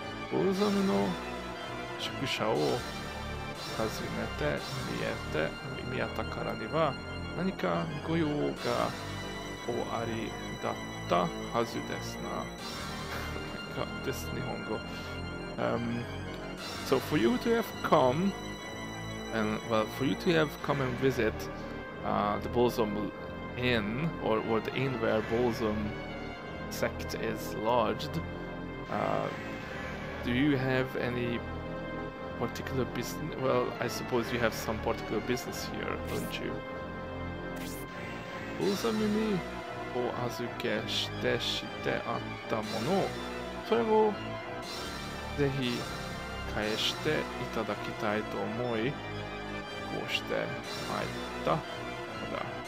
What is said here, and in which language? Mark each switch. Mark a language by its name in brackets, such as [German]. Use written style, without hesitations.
[Japanese] Bulsam の宿舎を訪ねて見えたからには何か御用がおありだったはずですな。 [English] This is 日本語。 So for you to have come and visit the Bulsam Inn or the inn where Bulsam sect is lodged, do you have any particular business? Well, I suppose you have some particular business here, don't you? [Japanese] Bulsamo にお預けしてしてあったもの、それをぜひ返していただきたいと思い、こうして入ったのだ。